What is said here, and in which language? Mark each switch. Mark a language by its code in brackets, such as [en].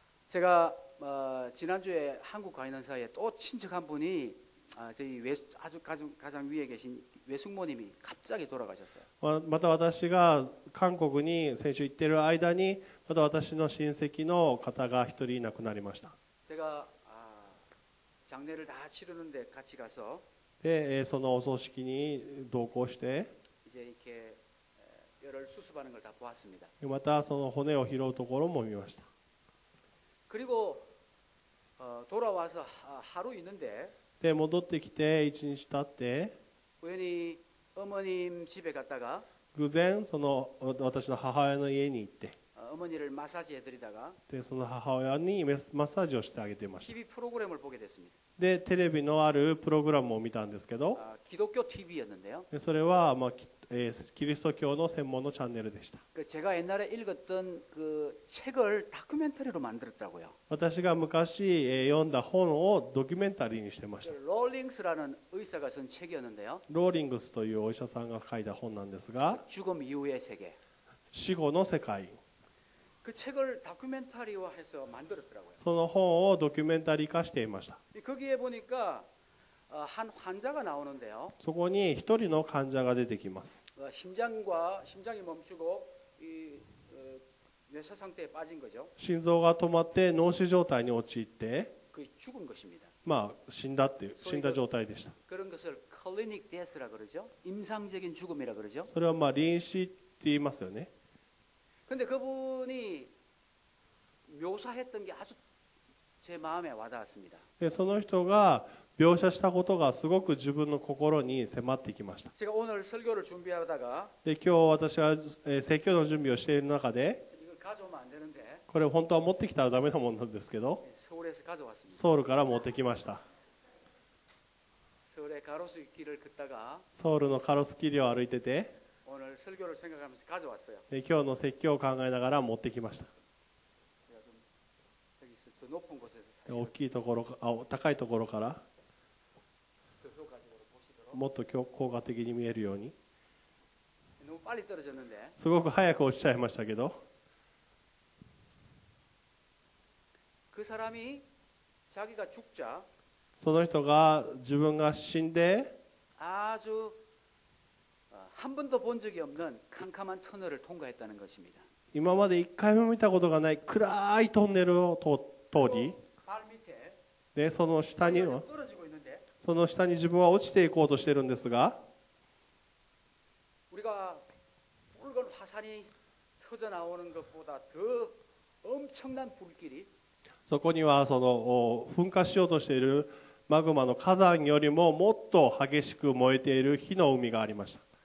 [ko] 제가지난주에한국가있는사이에또친척한분이저희외아주 가장위에계신외숙모님이갑자기돌아가셨어요。 [ja] また私が韓国に先週行ってる間にまた私の親戚の方が一人亡くなりました。 [ko] 제가장례를다치르는데같이가서 [ja] でそのお葬式に同行して [ko] 이제이렇게뼈를수습하는걸다보았습니다。 [ja] またその骨を拾うところも見ました。 [ko] 그리고돌아와서하루있는데 [ja] で戻ってきて1日経って [ko] 우연히어머님집에갔다가 [ja] 偶然その私の母親の家に行って [ko] 어머니를마사지해드리다가 [ja] でその母親にマッサージをしてあげていました。 [ko] TV 프로그램을보게됐습니다。 [ja] でテレビのあるプログラムを見たんですけど [ko] 기독교 TV 였는데요。 [ja] それは、まあ、キリスト教の専門のチャンネルでした。 [ko] 그제가옛날에읽었던그책을다큐멘터리로만들었다고요。 [ja] 私が昔読んだ本をドキュメンタリーにしてました。 [ko] ローリングス라는의사가쓴책이었는데요。 [ja] ローリングスというお医者さんが書いた本なんですが [ko] 죽음이후의세계 [ja] 死後の世界 [ko] 그책을다큐멘터리화해서만들었더라고요。 [ja] その本をドキュメンタリー化していました。 [ko] 거기에보니까한환자가나오는데요。 [ja] そこに一人の患者が出てきます。 [ko] 심장과심장이멈추고이뇌사상태에빠진거죠。 [ja] 心臓が止まって脳死状態に陥って。 [ko] 그죽은것입니다。 [ja] まあ死んだっていう死んだ状態でした。 [ko] 그런것을클리닉데스라그러죠。 임상적인죽음이라그러죠。 [ja] それはまあ臨死って言いますよね。 [ko] 근데그분이묘사했던게아주제마음에와닿았습니다。 [ja] その人が描写したことがすごく自分の心に迫ってきました。 [ko] 제가오늘설교를준비하다가 [ja] で今日私が説教の準備をしている中で [ko] 이걸가져오면안되는데 [ja] これ本当は持ってきたらダメなものなんですけど [ko] 서울에서가져왔습니다。 [ja] ソウルから持ってきました。 [ko] 서울의가로수길을걷다가 [ja] ソウルの가로수길を歩いてて [ko] 오늘설교를생각하면서가져왔어요。 [ja] 今日の説教を考えながら持ってきました。 [ko] 제가좀여기서높은곳에서 [ja] 大きいところ高いところからもっと効果的に見えるように。 [ko] 너무빨리떨어졌는데 [ja] すごく早く落ちちゃいましたけど。 [ko] 그사람이자기가죽자 [ja] その人が自分が死んで [ko] 아주한번도본적이없는캄캄한터널을통과했다는것입니다。 [ja] 今まで一回も見たことがない暗いトンネルを通り、 [ko] 발밑에 [ja] でその下に [ko] 떨어지고있는데 [ja] その下に自分は落ちていこうとしているんですが、 [ko] 우리가붉은화산이터져나오는것보다더엄청난불길이 [ja] そこにはその噴火しようとしているマグマの火山よりももっと激しく燃えている火の海がありました。